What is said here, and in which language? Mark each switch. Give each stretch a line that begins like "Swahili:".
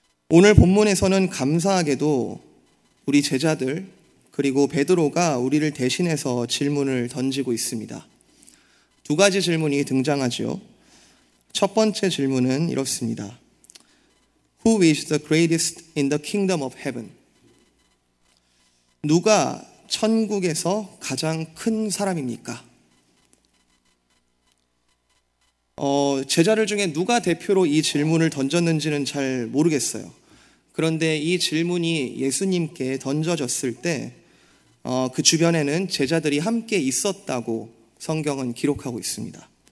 Korean: 오늘 본문에서는 감사하게도 우리 제자들 그리고 베드로가 우리를 대신해서 질문을 던지고 있습니다. 두 가지 질문이 등장하죠. 첫 번째 질문은 이렇습니다.
English: Who is the greatest in the kingdom of heaven?
Korean: 누가 천국에서 가장 큰 사람입니까? 제자들 중에 누가 대표로 이 질문을 던졌는지는 잘 모르겠어요. 그런데 이 질문이 예수님께 던져졌을 때 그 주변에는 제자들이 함께 있었다고 성경은 기록하고 있습니다.